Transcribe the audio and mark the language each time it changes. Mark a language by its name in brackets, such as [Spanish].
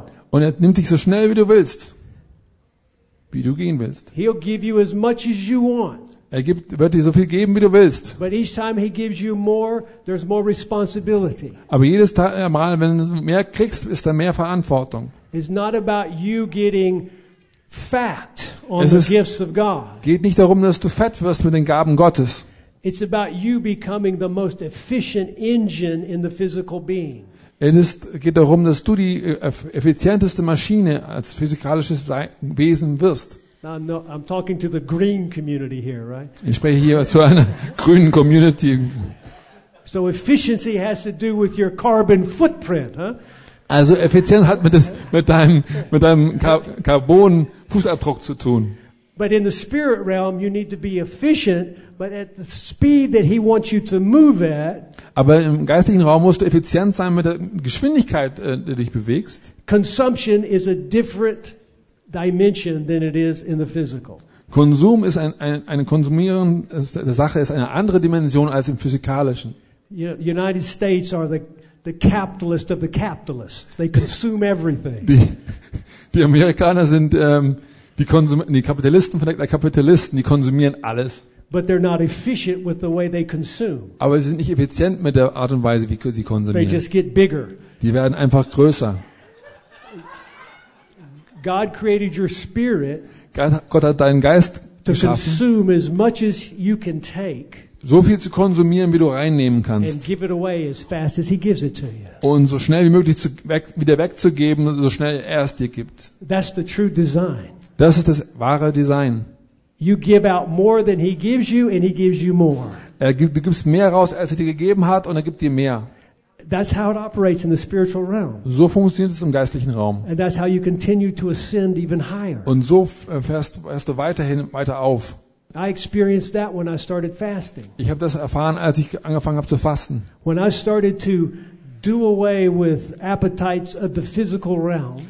[German] Und er nimmt dich so schnell, wie du willst. Wie du gehen willst. [English] He'll give you as much as you want. [German] Er wird dir so viel geben, wie du willst. [English] But each time he gives you more, there's more responsibility. [German] Aber jedes Mal, wenn du mehr kriegst, ist da mehr Verantwortung. [English] It's not about you getting fat on the gifts of God. [German] Es geht nicht darum, dass du fett wirst mit den Gaben Gottes. [English] It's about you becoming the most efficient engine in the physical being. [German] Es geht darum, dass du die effizienteste Maschine als physikalisches Wesen wirst. [English] I'm talking to the green community here, right? [German] Ich spreche hier zu einer grünen Community. [English] So efficiency has to do with your carbon footprint, huh? [German] Also Effizienz hat mit deinem Carbon-Fußabdruck zu tun. [English] But in the spirit realm, you need to be efficient. But at the speed that he wants you to move at. [German] Aber im geistigen Raum musst du effizient sein mit der Geschwindigkeit, die dich bewegst. [English] Consumption is a different dimension than it is in the physical. [German] Konsum ist eine konsumieren der Sache ist eine andere Dimension als im physikalischen. [English] United States are the capitalist of the capitalists. They consume everything. [German] Die Amerikaner sind die Kapitalisten von der Kapitalisten, die konsumieren alles. [English] But they're not efficient with the way they consume. [German] Aber sie sind nicht effizient mit der Art und Weise, wie sie konsumieren. [English] They just get bigger. [German] Die werden einfach größer. [English] God created your spirit. [German] Gott hat deinen Geist [English] to [German] geschaffen. [English] Consume as much as you can take. [German] So viel zu konsumieren, wie du reinnehmen kannst. [English] And give it away as fast as he gives it to you. [German] Und so schnell wie möglich wieder wegzugeben, so schnell er es dir gibt. [English] That's the true design. [German] Das ist das wahre Design. [English] You give out more than he gives you, and he gives you more. [German] Du gibst mehr raus, als er dir gegeben hat, und er gibt dir mehr. [English] That's how it operates in the spiritual realm. [German] So funktioniert es im geistlichen Raum. [English] And that's how you continue to ascend even higher. [German] Und so fährst du weiter auf. [English] I experienced that when I started fasting. [German] Ich habe das erfahren, als ich angefangen habe zu fasten. [English] When I started to do away with appetites of the physical realm.